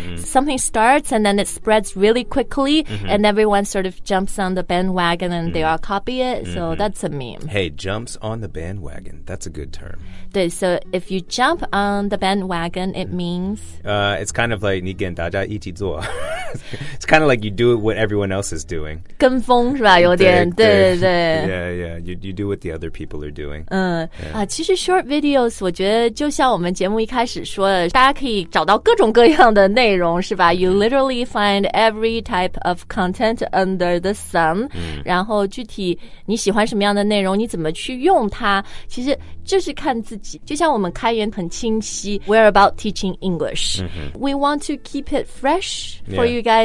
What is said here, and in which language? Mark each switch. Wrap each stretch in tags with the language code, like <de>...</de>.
<en>Something starts and then it spreads really quickly, and everyone sort of jumps on the bandwagon and they all copy it. So that's a meme. Hey, jumps on the bandwagon. That's a good term. 对 so if you jump on the bandwagon, it means it's kind of like</en> <zh>你跟大家一起做。</zh> <en>It's kind of like you do what everyone else is doing.</en> <zh>跟风是吧有点对对 对, 对。</zh> <en>Yeah. You do what the other people are doing.</en> <zh>其实 short videos, 我觉得就像我们节目一开始说的大家可以找到各种各样的内容是吧</zh> <en>You literally find every type of content under the sun.、</en> <zh>然后具体你喜欢什么样的内容你怎么去用它其实就是看自己就像我们开源很清晰</zh> <en>We're about teaching English.、 We want to keep it fresh for、you guys.</en>